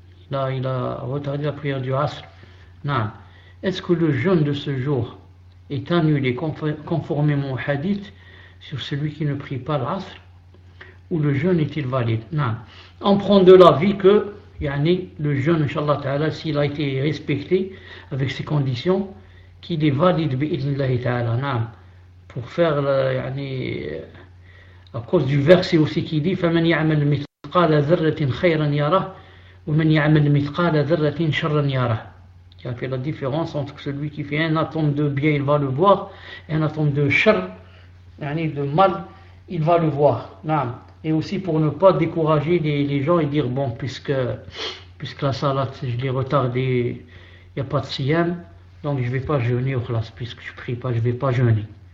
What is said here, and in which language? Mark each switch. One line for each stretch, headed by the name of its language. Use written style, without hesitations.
French: Là, il a retardé la prière du Asr. Non. Est-ce que le jeûne de ce jour est annulé conformément au hadith sur celui qui ne prie pas l'Asr, ou le jeûne est-il valide? Non. On prend de l'avis que yani, le jeûne, inshallah ta'ala, s'il a été respecté avec ses conditions, qu'il est valide, bi'idhnillahi ta'ala, na'am. Pour faire, yani, à cause du verset aussi qui dit,
Arabic: فَمَنْ يَعْمَلْ مِثْقَالَ ذَرَّةٍ خَيْرًا يَرَهُ وَمَنْ يَعْمَلْ مِثْقَالَ ذَرَّةٍ شَرًّا يَرَهُ.
French: Il a fait la différence entre celui qui fait un atome de bien, il va le voir, et un atome de char, yani, de mal, il va le voir, na'am. Et aussi pour ne pas décourager les gens et dire, bon, puisque la salat, je l'ai retardée, il n'y a pas de siyam, donc je ne vais pas jeûner au khlas, puisque je ne prie pas, je ne vais pas jeûner.